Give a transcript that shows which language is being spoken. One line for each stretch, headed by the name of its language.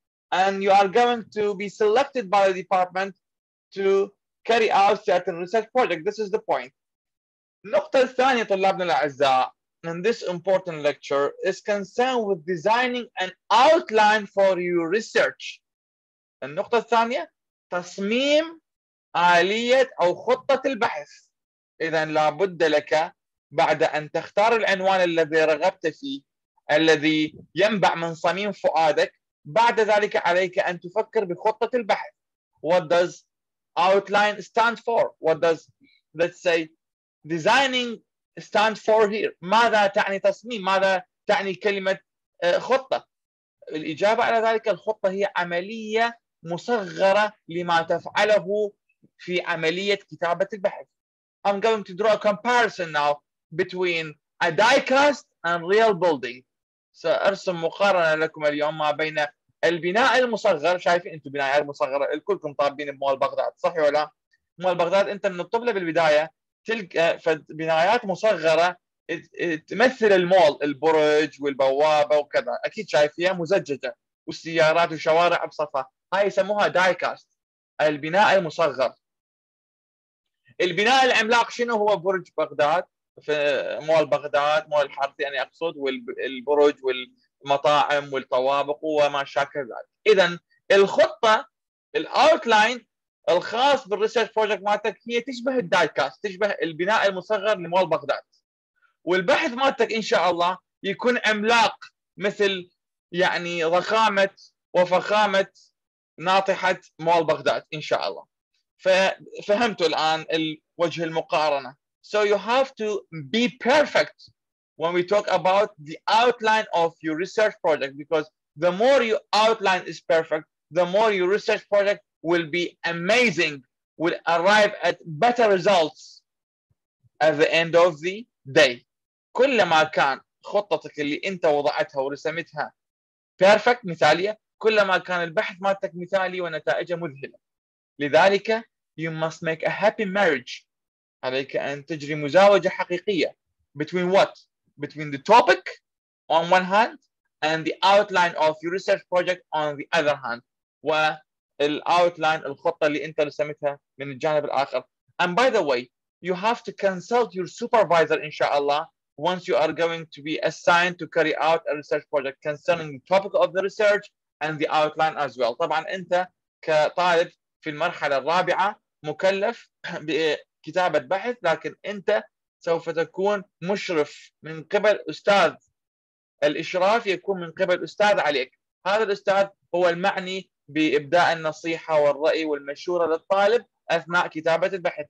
English: And you are going to be selected by the department to carry out certain research project. This is the point.
Arabic: نقطة الثانية طلابنا الأعزاء
English: in this important lecture is concerned with designing an outline for your research.
Arabic: النقطة الثانية تصميم آلية أو خطة البحث. إذن لابد لك بعد أن تختار العنوان الذي رغبت فيه الذي ينبع من صميم فؤادك, بعد ذلك عليك أن تفكر بخطة البحث.
English: What does outline stand for? What does, let's say, designing stand for here?
Arabic: ماذا تعني تصميم؟ ماذا تعني كلمة خطة؟ الإجابة على ذلك, الخطة هي عملية مصغرة لما تفعله في عملية كتابة البحث.
English: I'm going to draw a comparison now between a diecast and real building.
Arabic: سأرسم مقارنة لكم اليوم ما بين البناء المصغر. شايفين أنتم بناء المصغر الكلكم طابين بمول بغداد, صح ولا؟ مول بغداد أنت من الطبلة بالبداية تلقى بنايات مصغرة تمثل المول, البرج والبوابة وكذا, أكيد شايفيها مزججة والسيارات وشوارع بصفة. هاي يسموها دايكاست, البناء المصغر. البناء العملاق شنو هو؟ برج بغداد, في مول بغداد, مول الحارثي يعني أقصد, والبرج والمطاعم والطوابق وما شاكل ذلك. إذن الخطة الأوتلاين الخاص بالريسيرش بروجكت مالتك هي تشبه الدايكاست, تشبه البناء المصغر لمول بغداد. والبحث مالتك إن شاء الله يكون عملاق, مثل يعني ضخامة وفخامة ناطحة مول بغداد إن شاء الله. ففهمتوا الآن الوجه المقارنة.
English: So you have to be perfect when we talk about the outline of your research project, because the more your outline is perfect, the more your research project will be amazing, will arrive at better results at the end of the day.
Arabic: كلما كان خطتك اللي انت وضعتها ورسمتها perfect, مثالية, كلما كان البحث مالتك مثالي ونتائجه مذهلة.
English: لذلك you must make a happy marriage.
Arabic: عليك أن تجري مزاوجة حقيقية
English: between what? Between the topic on one hand and the outline of your research project on the other hand.
Arabic: والoutline, الخطة اللي أنت رسمتها من الجانب الآخر.
English: And by the way, you have to consult your supervisor, inshallah, once you are going to be assigned to carry out a research project concerning the topic of the research and the outline as well.
Arabic: طبعا انت كطالب في المرحلة الرابعة مكلف بكتابة بحث، لكن انت سوف تكون مشرف من قبل أستاذ. الإشراف يكون من قبل أستاذ عليك. هذا الأستاذ هو المعني بإبداء النصيحة والرأي والمشورة للطالب أثناء كتابة البحث.